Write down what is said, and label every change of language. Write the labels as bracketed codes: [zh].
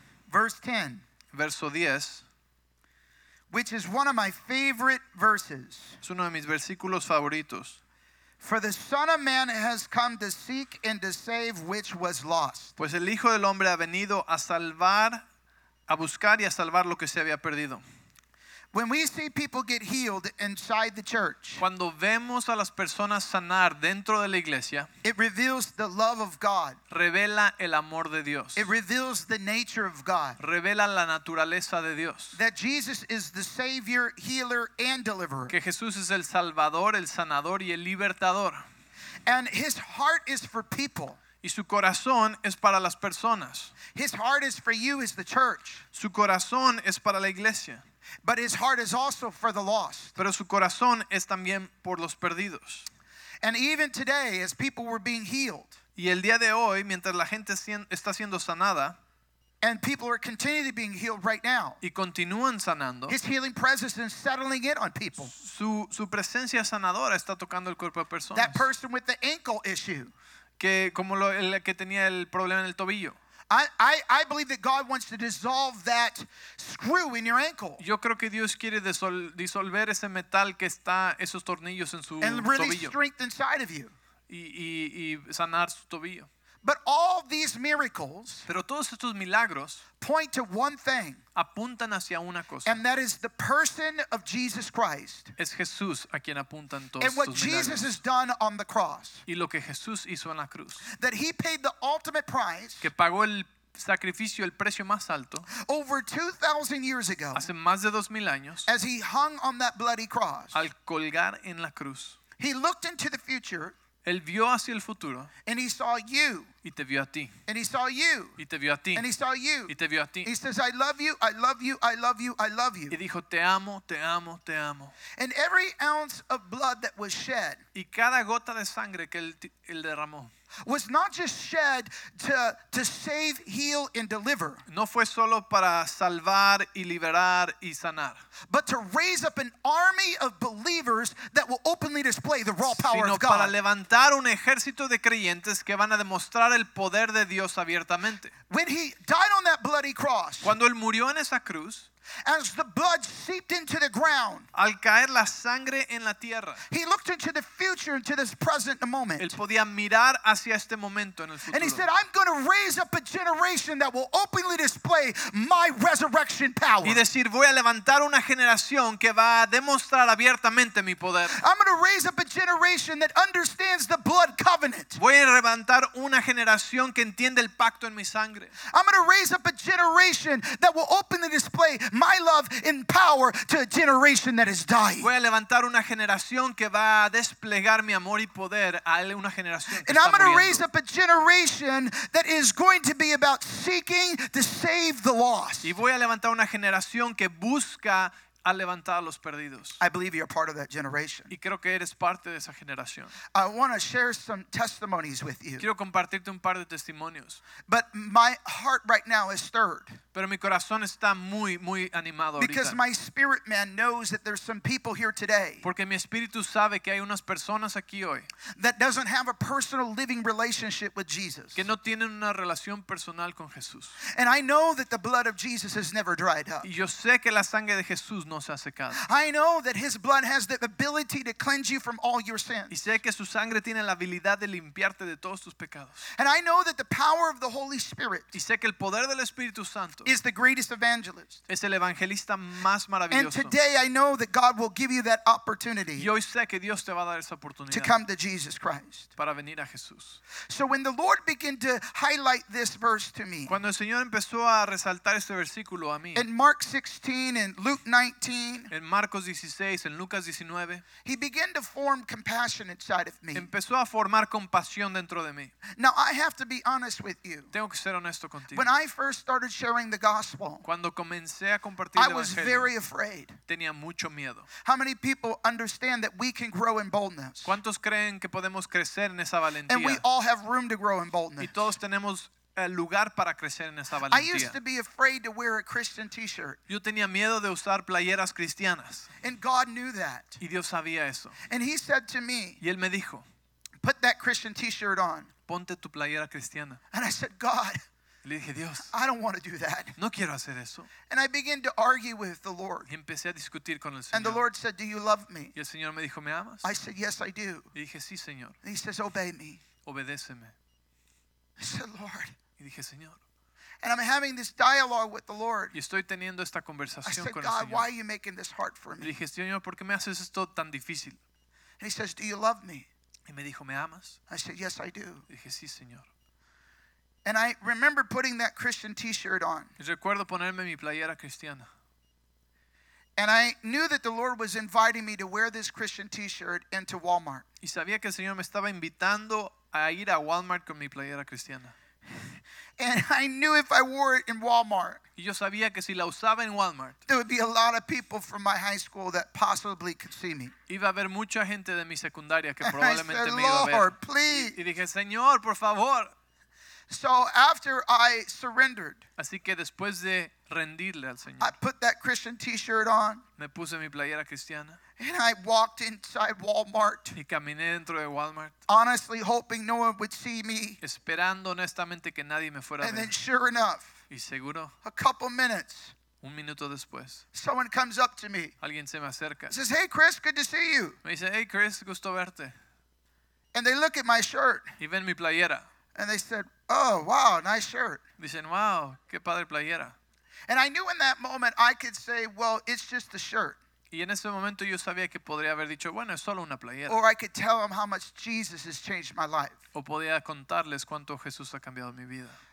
[en] verse 10. [es] Verso 10. [en] Which is one of my favorite verses. [es] Es uno de mis versículos favoritos. [en] For the Son of Man has come to seek and to save which was lost. [es] Pues el Hijo del Hombre ha venido a salvar, a buscar y a salvar lo que se había perdido. [en] When we see people get healed inside the church, [es] cuando vemos a las personas sanar dentro de la iglesia, [en] it reveals the love of God. [es] Revela el amor de Dios. [en] It reveals the nature of God. [es] Revela la naturaleza de Dios. [en] That Jesus is the Savior, healer, and deliverer. [es] Que Jesús es el Salvador, el sanador y el libertador. [en] And His heart is for people. [es] Y su corazón es para las personas. [en] His heart is for you, as the church. [es] Su corazón es para la iglesia. [en] But his heart is also for the lost. [es] Pero su corazón es también por los perdidos. [en] And even today, as people were being healed, [es] y el día de hoy, mientras la gente está siendo sanada, [en] and people are continually being healed right now, [es] y continúan sanando, [en] his healing presence is settling in on people. [es] Su presencia sanadora está tocando el cuerpo de personas. [en] That person with the ankle issue, [es] que como lo, el que tenía el problema en el tobillo. [en] I believe that God wants to dissolve that screw in your ankle. [es] Yo creo que Dios quiere disolver ese metal que está esos tornillos en su tobillo. And [en] release tobillo. Strength inside of you. [es] Y sanar su tobillo. [en] But all these miracles, [es] pero todos estos milagros, [en] point to one thing. [es] Apuntan hacia una cosa. [en] And that is the person of Jesus Christ. [es] Es Jesús a quien apuntan todos. [en] And what Jesus [es] milagros. [en] Has done on the cross. [es] Y lo que Jesús hizo en la cruz. [en] That He paid the ultimate price. [es] Que pagó el sacrificio, el precio más alto. [en] Over 2,000 years ago. [es] Hace más de 2,000 años. [en] As He hung on that bloody cross. [es] Al colgar en la cruz. [en] He looked into the future. [es] Él vio hacia el futuro. [en] And he saw you. [es] Y te vio a ti. [en] And he saw you. [es] Y te vio a ti. [en] And he saw you. [es] Y te vio a ti. [en] He says, I love you, I love you, I love you, I love you. [es] Y dijo, te amo, te amo, te amo. [en] And every ounce of blood that was shed. [es] Y cada gota de sangre que él derramó. [en] Was not just shed to save, heal, and deliver. [es] No fue solo para salvar y liberar y sanar. [en] But to raise up an army of believers that will openly display the raw power [es] sino [en] of God. [es] Sino para levantar un ejército de creyentes que van a demostrar el poder de Dios abiertamente. [en] When he died on that bloody cross. [es] Cuando él murió en esa cruz. [en] As the blood seeped into the ground. [es] Al caer la sangre en la tierra. [en] He looked into the future, into this present moment. [es] Él podía mirar hacia este momento en el futuro. [en] And he said, I'm going to raise up a generation that will openly display my resurrection power. [es] Y decir, voy a levantar una generación que va a demostrar abiertamente mi poder. [en] I'm going to raise up a generation that understands the blood covenant. [es] Voy a levantar una generación que entiende el pacto en mi sangre. [en] I'm going to raise up a generation that will openly display my love and power to a generation that is dying. [es] Voy a levantar una generación que va a desplegar mi amor y poder a una generación que está [en] And I'm going to raise up a generation that is going to be about seeking to save the lost. [es] Y voy a levantar una generación que busca a levantar a los perdidos. [en] I believe you're part of that generation. [es] Y creo que eres parte de esa generación. [en] I want to share some testimonies with you. [es] Quiero compartirte un par de testimonios. [en] But my heart right now is stirred. [es] Pero mi corazón está muy, muy animado [en] because [es] ahorita. [en] My spirit man knows that there's some people here today. [es] Porque mi espíritu sabe que hay unas personas aquí hoy. [en] That doesn't have a personal living relationship with Jesus. [es] Que no tienen una relación personal con Jesús. [en] And I know that the blood of Jesus has never dried up. [es] Y yo sé que la sangre de Jesús no se ha secado. [en] I know that his blood has the ability to cleanse you from all your sins. [es] Y sé que su sangre tiene la habilidad de limpiarte de todos tus pecados. [en] And I know that the power of the Holy Spirit. [es] Y sé que el poder del Espíritu Santo [en] is the greatest evangelist. [es] Es el evangelista más maravilloso. [en] And today I know that God will give you that opportunity. [es] Y hoy sé que Dios te va a dar esa oportunidad. [en] To come to Jesus Christ. [es] Para venir a Jesús. [en] So when the Lord began to highlight this verse to me. [es] Cuando el Señor empezó a resaltar este versículo a mí. [en] In Mark 16 and Luke 19. [es] En Marcos 16, en Lucas 19, [en] he began to form compassion inside of me. [es] Empezó a formar compasión dentro de mí. [en] Now I have to be honest with you. [es] Tengo que ser honesto contigo. [en] When I first started sharing the gospel, [es] cuando comencé a compartir el evangelio, [en] I was very afraid. [es] Tenía mucho miedo. [en] How many people understand that we can grow in boldness? [es] ¿Cuántos creen que podemos crecer en esa valentía? [en] And we all have room to grow in boldness. [es] Y todos tenemos el lugar para crecer en esa valentía. [en] I used to be afraid to wear a Christian t-shirt. [es] Yo tenía miedo de usar playeras cristianas. [en] And God knew that. [es] Y Dios sabía eso. [en] And he said to me, [es] y él me dijo, [en] put that Christian t-shirt on. [es] Ponte tu playera cristiana. [en] And I said, God, [es] le dije, Dios, [en] I don't want to do that. [es] No quiero hacer eso. [en] And I began to argue with the Lord. [es] Y empecé a discutir con el Señor. [en] And the Lord said, do you love me? [es] Y el Señor me dijo, ¿me amas? [en] I said, yes, I do. [es] Y dije, sí, Señor. [en] And he says, obey me. [es] Obedéceme. [en] I said, Lord, [es] y dije, Señor. [en] And I'm having this dialogue with the Lord. [es] Y estoy teniendo esta conversación [en] said, [es] con el Señor. [en] God, why are you making this hard for me? [es] Y dije, Señor, ¿por qué me haces esto tan difícil? [en] And he says, do you love me? [es] Y me dijo, ¿me amas? [en] I said, yes, I do. [es] Y dije, sí, Señor. [en] And I remember putting that Christian t-shirt on. [es] Y recuerdo ponerme mi playera cristiana. [en] And I knew that the Lord was inviting me to wear this Christian t-shirt into Walmart. [es] Y sabía que el Señor me estaba invitando a ir a Walmart con mi playera cristiana. [en] And I knew if I wore it in Walmart, [es] y yo sabía que si la usaba en Walmart, [en] there would be a lot of people from my high school that possibly could see me. [es] Iba a haber mucha gente de mi secundaria que probablemente me iba a ver. [en] And I said, Lord, please. [es] Y dije, Señor, por favor. [en] So after I surrendered, [es] así que después de rendirle al Señor, [en] I put that Christian t-shirt on. [es] Me puse mi playera cristiana. [en] And I walked inside Walmart. [es] Y caminé dentro de Walmart. [en] Honestly hoping no one would see me. [es] Esperando honestamente que nadie me fuera a ver. [en] And then sure enough. [es] Y seguro. [en] A couple minutes. [es] Un minuto después. [en] Someone comes up to me. [es] Alguien se me acerca. [en] Says, hey Chris, good to see you. [es] Me dice, hey Chris, gusto verte. [en] And they look at my shirt. [es] Y ven mi playera. [en] And they said, oh wow, nice shirt. [es] Dicen, wow, qué padre playera. [en] And I knew in that moment I could say, well, it's just a shirt. [es] Y en ese momento yo sabía que podría haber dicho, bueno, es solo una playera. [en] Or I could tell them how much Jesus has changed my life. [es] O podía contarles cuánto Jesús ha cambiado mi vida.